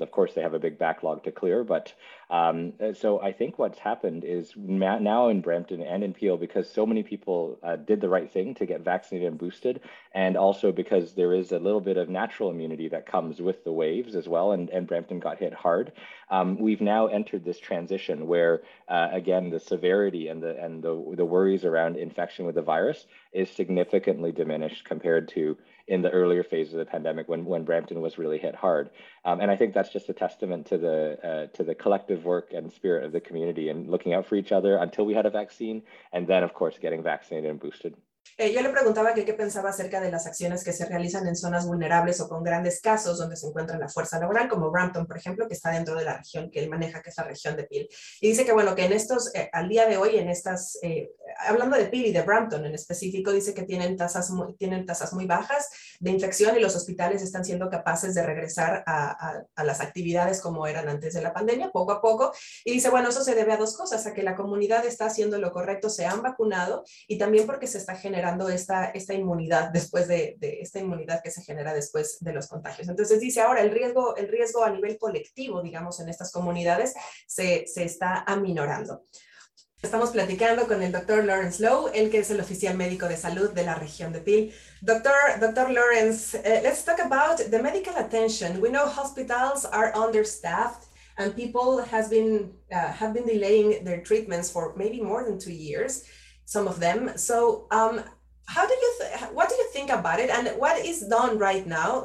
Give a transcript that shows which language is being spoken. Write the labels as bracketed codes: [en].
[en] Of course, they have a big backlog to clear, but so I think what's happened is now in Brampton and in Peel, because so many people did the right thing to get vaccinated and boosted, and also because there is a little bit of natural immunity that comes with the waves as well, and Brampton got hit hard, we've now entered this transition where, again, the severity and the worries around infection with the virus is significantly diminished compared to in the earlier phase of the pandemic when Brampton was really hit hard. And I think that's just a testament to the collective work and spirit of the community and looking out for each other until we had a vaccine, and then of course getting vaccinated and boosted. [es] Yo le preguntaba qué pensaba acerca de las acciones que se realizan en zonas vulnerables o con grandes casos donde se encuentra la fuerza laboral, como Brampton, por ejemplo, que está dentro de la región que él maneja, que es la región de Peel. Y dice que, bueno, que en estos, al día de hoy, en estas, hablando de Peel y de Brampton en específico, dice que tienen tasas muy bajas de infección y los hospitales están siendo capaces de regresar a las actividades como eran antes de la pandemia, poco a poco. Y dice, bueno, eso se debe a dos cosas, a que la comunidad está haciendo lo correcto, se han vacunado, y también porque se está generando esta inmunidad después de esta inmunidad que se genera después de los contagios. Entonces dice, ahora el riesgo a nivel colectivo, digamos, en estas comunidades se está aminorando. Estamos platicando con el Dr. Lawrence Lowe, el que es el oficial médico de salud de la región de Peel. [en] Dr. Lawrence, let's talk about the medical attention. We know hospitals are understaffed and people have been delaying their treatments for maybe more than 2 years, some of them. So what do you think about it? And what is done right now?